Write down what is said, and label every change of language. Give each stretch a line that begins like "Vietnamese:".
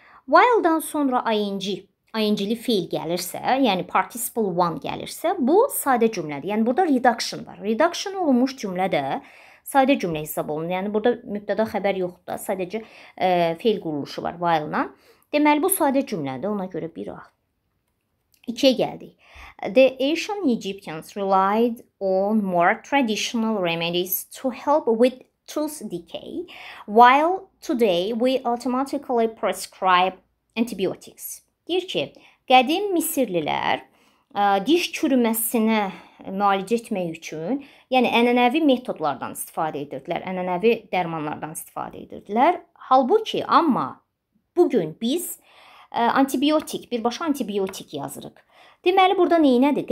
Azerbaijani: While-dan sonra ing-li fiil gəlirsə, yəni participle one gəlirsə, bu sadə cümlədir. Yəni burada reduction var. Reduction olunmuş cümlə də sadə cümlə hesab olunur. Yəni burada mübtəda xəbər yoxdur da, sadəcə fiil quruluşu var while-la. Deməli bu sadə cümlədir. Ona görə bir ax. 2-yə gəldik.
English: The ancient Egyptians relied on more traditional remedies to help with tooth decay, while today we automatically prescribe antibiotics.
Azerbaijani: Deyir ki, qədim Misirlilər diş çürüməsinə müalicə etmək üçün, yəni ənənəvi metodlardan istifadə edirdilər, ənənəvi dərmanlardan istifadə edirdilər. Halbuki, amma bugün biz antibiotik, birbaşa antibiotik yazırıq. Deməli, burada neynədir?